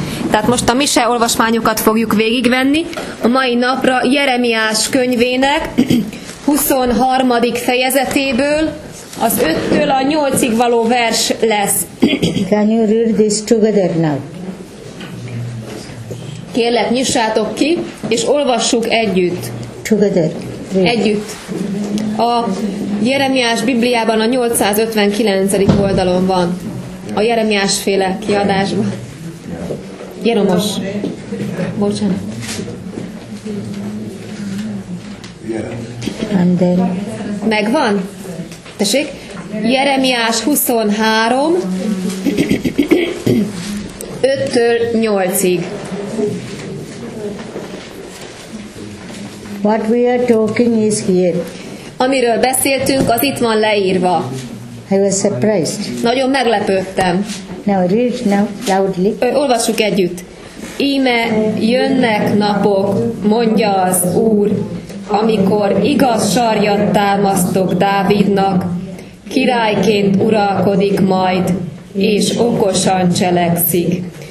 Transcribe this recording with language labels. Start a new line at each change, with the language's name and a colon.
Hungarian: Tehát most a mise olvasmányokat fogjuk végigvenni. A mai napra Jeremiás könyvének 23. fejezetéből az 5-től a 8-ig való vers lesz.
English: Can you read this together now?
Hungarian: Kérlek, nyissátok ki, és olvassuk együtt.
English: Together.
Hungarian: Együtt. A Jeremiás Bibliában a 859. oldalon van. A Jeremiás féle kiadásban. Jeromos. Bocsánat.
English: And then.
Hungarian: Megvan? Tessék. Jeremiás 23. 5-től 8-ig.
English: What we are talking is here.
Hungarian: Amiről beszéltünk, az itt van leírva.
English: I was surprised.
Hungarian: Nagyon meglepődtem.
English: Now read now loudly.
Hungarian: Olvassuk együtt. Íme jönnek napok, mondja az Úr, amikor igaz sarjat támasztok Dávidnak, királyként uralkodik majd, és okosan cselekszik.